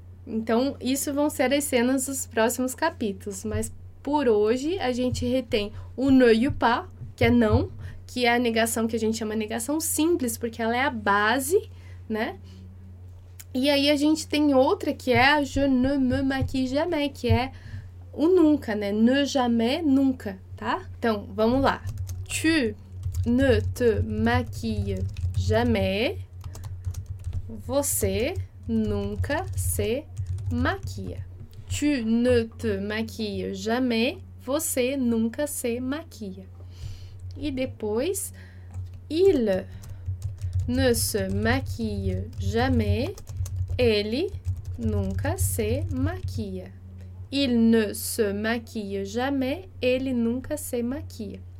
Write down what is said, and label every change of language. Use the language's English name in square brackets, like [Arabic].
[Portuguese] Então, isso vão ser as cenas dos próximos capítulos, mas por hoje, a gente retém o ne e o pas, que é não, que é a negação que a gente chama negação simples, porque ela é a base, né? E aí a gente tem outra que é a [French] je ne me maquille jamais, [Portuguese] que é o nunca, né? Ne jamais, nunca, tá? Então, vamos lá. [French] Tu ne te maquille jamais. [Portuguese] Você nunca se maquia. [French] Tu ne te maquille jamais. [Portuguese] Você nunca se maquia. E depois, [French] il ne se maquille jamais, [Portuguese] ele nunca se maquia. [French] Il ne se maquille jamais, [Portuguese] ele nunca se maquia.